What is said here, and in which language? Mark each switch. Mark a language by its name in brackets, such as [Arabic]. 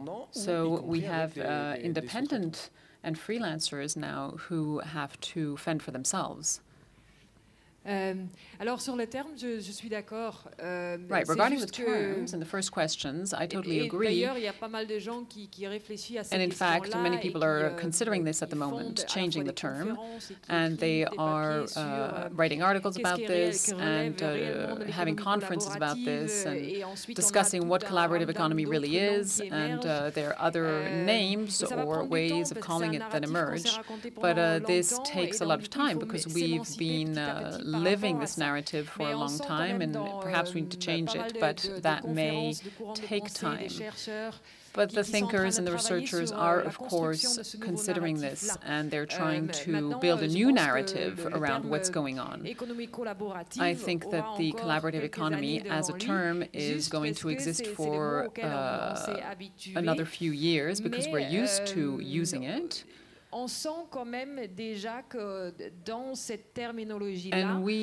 [English] So we have independent and freelancers now who have to fend for themselves. [French] Alors sur le terme, je suis d'accord. [English] Right, regarding the terms and the first questions, I totally agree. [French] D'ailleurs, il y a pas mal de gens qui réfléchissent à ces questions-là. [English] And in fact, many people are considering this at the moment, changing the term, and they are writing articles about this and having conferences about this and discussing what collaborative economy really is and there are other names or ways of calling it that emerge. But this takes a lot of time because we've been living this narrative for a long time, and perhaps we need to change it, but that may take time. But the thinkers and the researchers are, of course, considering this, and they're trying to build a new narrative around what's going on. I think that the collaborative economy, as a term, is going to exist for another few years, because we're used to using it. [French] On sent quand même déjà que dans cette terminologie-là,